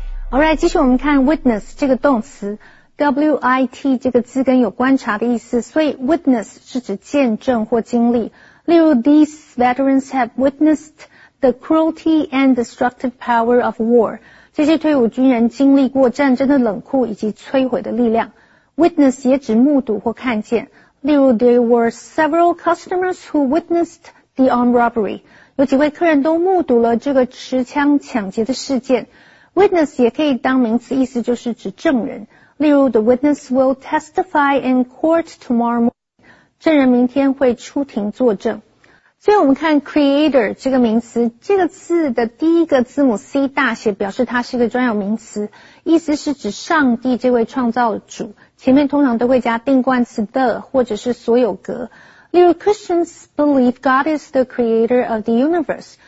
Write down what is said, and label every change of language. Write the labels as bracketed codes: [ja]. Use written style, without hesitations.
[zh] 好，来继续我们看 witness 这个动词 ,W-I-T 这个字根有观察的意思，所以 witness 是指见证或经历。例如 [en] ,these veterans have witnessed the cruelty and destructive power of war. [zh] 这些退伍军人经历过战争的冷酷以及摧毁的力量。 witness 也指目睹或看见。例如 [en] ,there were several customers who witnessed the armed robbery. [zh] 有几位客人都目睹了这个持枪抢劫的事件。 Witness 也可以当名词，意思就是指证人。例如 [en] ,the witness will testify in court tomorrow morning. [zh] 证人明天会出庭作证。所以我们看 creator 这个名词，这个字的第一个字母 C 大写表示它是一个专有名词，意思是指上帝这位创造主。前面通常都会加定冠词 the 或者是所有格。例如 [en] ,Christians believe God is the creator of the universe.